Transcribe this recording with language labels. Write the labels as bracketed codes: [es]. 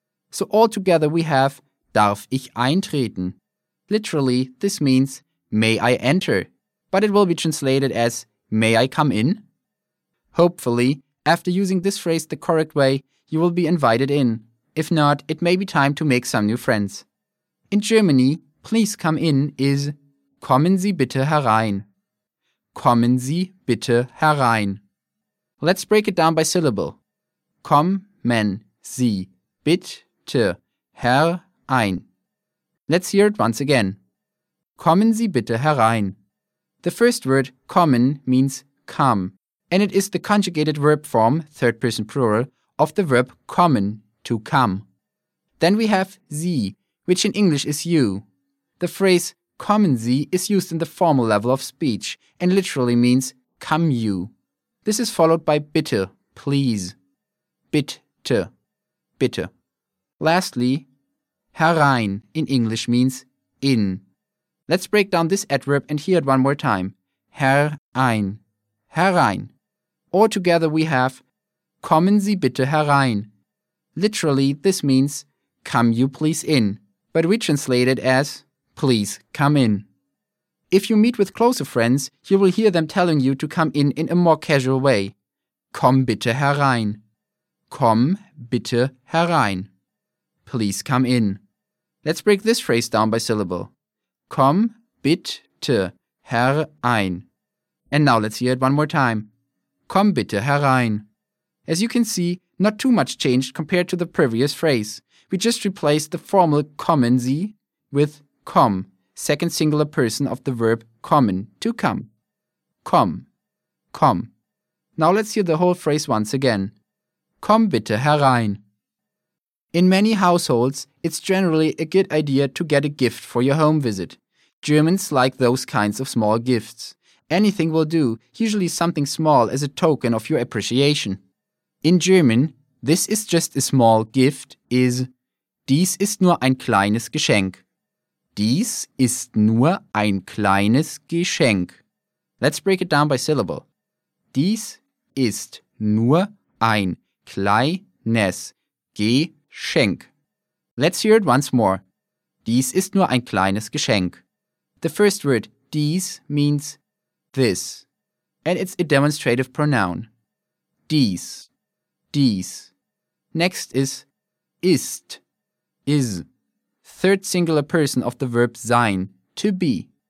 [en] So all together we have [de] Darf ich eintreten? [en] Literally, this means may I enter? But it will be translated as may I come in? Hopefully, after using this phrase the correct way, you will be invited in. If not, it may be time to make some new friends. In Germany, please come in is [de] Kommen Sie bitte herein. Kommen Sie bitte herein. [en] Let's break it down by syllable. [de] Kommen Sie bitte herein. [en] Let's hear it once again. [de] Kommen Sie bitte herein. [en] The first word, kommen, means come. And it is the conjugated verb form, third person plural, of the verb kommen, to come. Then we have Sie, which in English is you. The phrase kommen Sie is used in the formal level of speech and literally means come you. This is followed by bitte, please. Bitte, bitte. Lastly, herein in English means in. Let's break down this adverb and hear it one more time. [de] Herein, herein. [en] All together we have [de] kommen Sie bitte herein. [en] Literally, this means come you please in. But we translate it as, please come in. If you meet with closer friends, you will hear them telling you to come in a more casual way. [de] Komm bitte herein. Komm bitte herein. [en] Please come in. Let's break this phrase down by syllable. [de] Komm bitte herein. [en] And now let's hear it one more time. [de] Komm bitte herein. [en] As you can see, not too much changed compared to the previous phrase. We just replaced the formal kommen Sie with komm, second singular person of the verb kommen, to come. [de] Komm, komm. [en] Now let's hear the whole phrase once again. [de] Komm bitte herein. [en] In many households, it's generally a good idea to get a gift for your home visit. Germans like those kinds of small gifts. Anything will do, usually something small as a token of your appreciation. In German, this is just a small gift is [de] Dies ist nur ein kleines Geschenk. Dies ist nur ein kleines Geschenk. [en] Let's break it down by syllable. [de] Dies ist nur ein kleines Geschenk. [en] Let's hear it once more. [de] Dies ist nur ein kleines Geschenk. [en] The first word, dies, means this. And it's a demonstrative pronoun. Dies. Dies. Next is ist. Is, third singular person of the verb sein, to be.